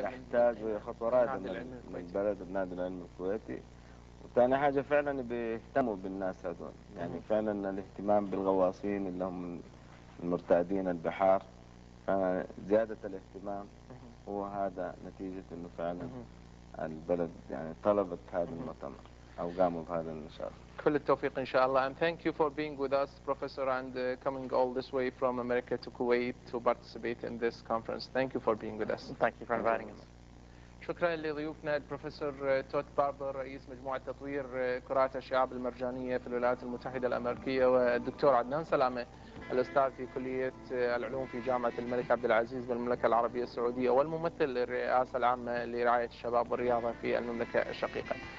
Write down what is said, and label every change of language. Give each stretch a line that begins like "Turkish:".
Arabic: يحتاجوا خطوه رائده من بلد النادي العلمي الكويتي، وثاني حاجه فعلا بيهتموا بالناس هذول، يعني فعلا الاهتمام بالغواصين اللي هم المرتادين البحار، فزياده الاهتمام هو هذا نتيجه انه فعلا البلد يعني طلبت هذا المؤتمر أو قاموا بهذا النشاط. كل التوفيق إن شاء الله.
English: And thank you for being with us, Professor, and coming all this way from America to Kuwait to participate in this conference. Thank you for being with us. Thank you for inviting us.
Arabic: شكرا لضيوفنا البروفيسور توت باربر رئيس مجموعة تطوير كرات الشعاب المرجانية في الولايات المتحدة الأمريكية، والدكتور عدنان سلامة الأستاذ في كلية العلوم في جامعة الملك عبد العزيز بالمملكة العربية السعودية والممثل للرئاسة العامة لرعاية الشباب والرياضة في المملكة الشقيقة.